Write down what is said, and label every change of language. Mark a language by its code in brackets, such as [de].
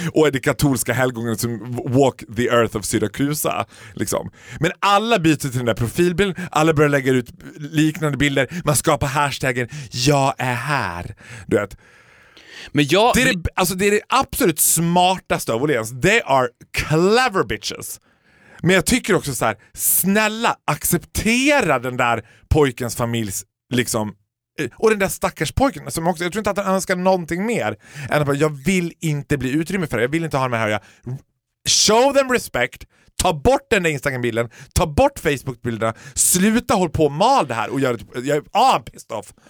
[sv] Och är det katolska helgonen som [en] walk the earth of Syracusa. [sv] Liksom. Men alla byter till den där profilbilden. Alla börjar lägga ut liknande bilder. Man skapar hashtaggen jag är här. Du vet. Men jag, alltså det är det absolut smartaste av Åhléns. [en] They are clever bitches. [sv] Men jag tycker också så här, snälla, acceptera den där pojkens familjs, liksom, och den där stackars pojken som också, jag tror inte att han önskar någonting mer än att jag vill inte bli utrymme för det, jag vill inte ha med här. Jag, [en] show them respect, [sv] ta bort den där Instagram-bilden, ta bort Facebook-bilderna, sluta håll på och mal det här och gör det, jag är pissed off.